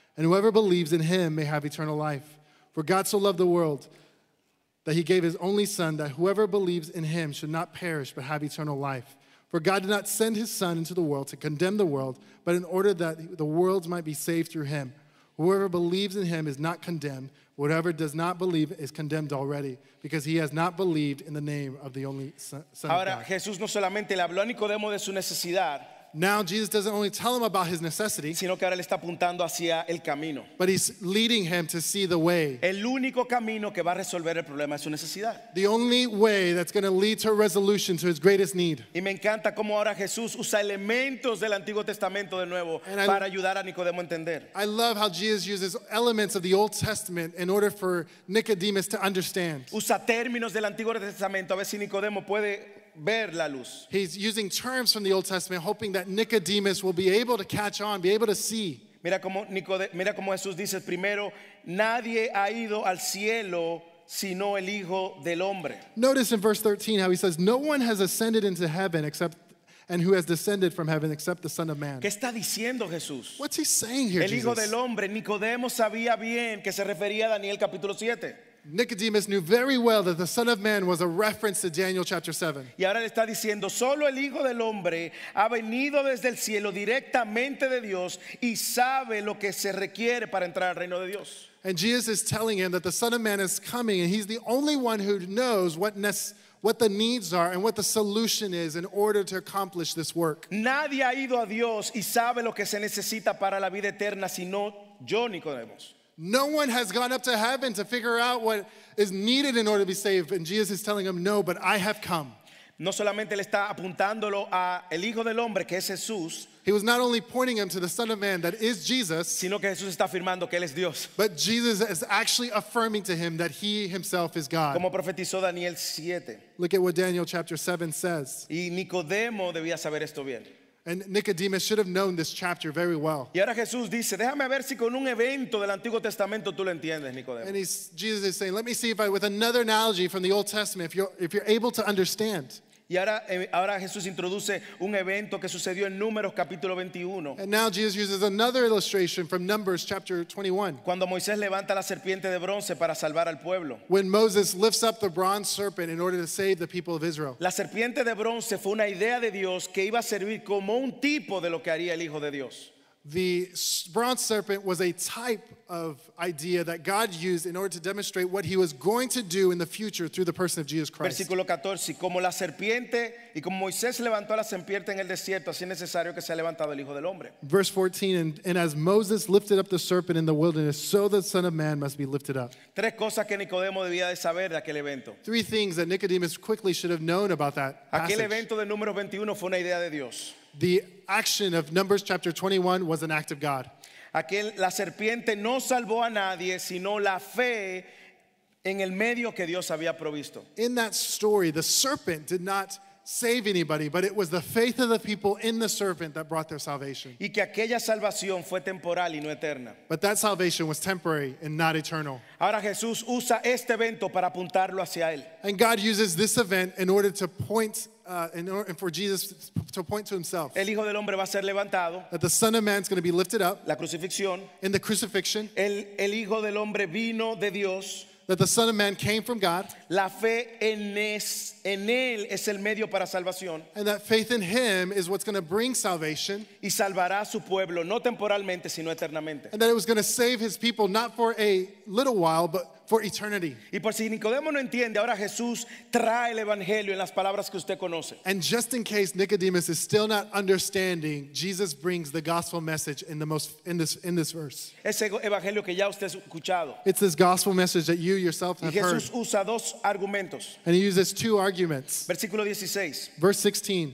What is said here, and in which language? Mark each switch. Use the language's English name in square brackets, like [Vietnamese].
[English] And whoever believes in him may have eternal life. For God so loved the world that he gave his only Son, that whoever believes in him should not perish but have eternal life. For God did not send his Son into the world to condemn the world, but in order that the world might be saved through him. Whoever believes in him is not condemned. Whatever does not believe is condemned already, because he has not believed in the name of the only Son of God. [Spanish] Ahora, Jesús no solamente le habló a Nicodemo de su necesidad. [English] Now Jesus doesn't only tell him about his necessity, [Spanish] sino que ahora le está apuntando hacia el camino. [English] But he's leading him to see the way. [Spanish] El único camino que va a resolver el problema es su necesidad. [English] The only way that's going to lead to a resolution to his greatest need. [Spanish] Y me encanta cómo ahora Jesús usa elementos del Antiguo Testamento de nuevo para ayudar a Nicodemo a entender. [English] I love how Jesus uses elements of the Old Testament in order for Nicodemus to understand. [Spanish] Usa términos del Antiguo Testamento a ver si Nicodemo puede ver la luz. [English] He's using terms from the Old Testament, hoping that Nicodemus will be able to catch on, be able to see. [Spanish] Mira como Jesús dice, primero, nadie ha ido al cielo sino el Hijo del Hombre. [English] Notice in verse 13 how he says, no one has ascended into heaven except, and who has descended from heaven except the Son of Man. [Spanish] ¿Qué está diciendo Jesús? [English] What's he saying here, [Spanish] el Hijo [English] Jesus? [Spanish] Del Hombre, Nicodemo sabía bien que se refería a Daniel capítulo 7. [English] Nicodemus knew very well that the Son of Man was a reference to Daniel chapter 7. [Spanish] Y ahora le está diciendo, solo el Hijo del Hombre ha venido desde el cielo directamente de Dios y sabe lo que se requiere para entrar al reino de Dios. [English] And Jesus is telling him that the Son of Man is coming, and he's the only one who knows what the needs are and what the solution is in order to accomplish this work. [Spanish] Nadie ha ido a Dios y sabe lo que se necesita para la vida eterna sino yo, Nicodemus. [English] No one has gone up to heaven to figure out what is needed in order to be saved. And Jesus is telling him, no, but I have come. [Spanish] No solamente le está apuntándolo a el Hijo del Hombre, que es Jesús. [English] He was not only pointing him to the Son of Man, that is Jesus. [Spanish] Sino que Jesús está afirmando que él es Dios. [English] But Jesus is actually affirming to him that he himself is God. [Spanish] Como profetizó Daniel 7. [English] Look at what Daniel chapter 7 says. [Spanish] Y Nicodemo debía saber esto bien. [English] And Nicodemus should have known this chapter very well. [Spanish] Y ahora Jesús dice, déjame ver si con un evento del Antiguo Testamento tú lo entiendes, Nicodemo. [English] And Jesus is saying, let me see if I, with another analogy from the Old Testament, if you're able to understand. [Spanish] Y ahora Jesús introduce un evento que sucedió en Números capítulo 21. [English] And now Jesus uses another illustration from Numbers chapter 21. [Spanish] Cuando Moisés levanta la serpiente de bronce para salvar al pueblo. [English] When Moses lifts up the bronze serpent in order to save the people of Israel. [Spanish] La serpiente de bronce fue una idea de Dios que iba a servir como un tipo de lo que haría el Hijo de Dios. [English] The bronze serpent was a type of idea that God used in order to demonstrate what he was going to do in the future through the person of Jesus Christ. [Spanish] Versículo 14, como la serpiente y como Moisés levantó la serpiente en el desierto, así es necesario que sea levantado el Hijo del Hombre. [English] Verse 14, and as Moses lifted up the serpent in the wilderness, so the Son of Man must be lifted up. [Spanish] Tres cosas que Nicodemo debía de saber de aquel evento. [English] Three things that Nicodemus quickly should have known about that passage. [Spanish] Aquel evento de Números 21 fue una idea de Dios. [English] The action of Numbers chapter 21 was an act of God. [Spanish] La serpiente no salvó a nadie, sino la fe en el medio que Dios había provisto. [English] In that story, the serpent did not save anybody, but it was the faith of the people in the serpent that brought their salvation. [Spanish] Y que aquella salvación fue temporal y no eterna. [English] But that salvation was temporary and not eternal. [Spanish] Ahora Jesús usa este evento para apuntarlo hacia él. [English] And God uses this event in order to point and for Jesus to point to himself. [Spanish] El Hijo del Hombre va a ser levantado. [English] That the Son of Man is going to be lifted up. [Spanish] La crucifixión. [English] In the crucifixion. [Spanish] El Hijo del Hombre vino de Dios. [English] That the Son of Man came from God. [Spanish] La fe en él es el medio para salvación. [English] And that faith in him is what's going to bring salvation. [Spanish] Y salvará a su pueblo, no temporalmente, sino eternamente. [English] And that it was going to save his people, not for a little while, but for eternity. [Spanish] Y por si Nicodemo no entiende, ahora Jesús trae el evangelio en las palabras que usted conoce. [English] And just in case Nicodemus is still not understanding, Jesus brings the gospel message in this verse. [Spanish] Ese evangelio que ya usted ha escuchado. [English] It's this gospel message that you yourself have heard. [Spanish] Y Jesús usa dos argumentos. [English] And he uses two arguments. [Spanish] Versículo 16. [English] Verse 16.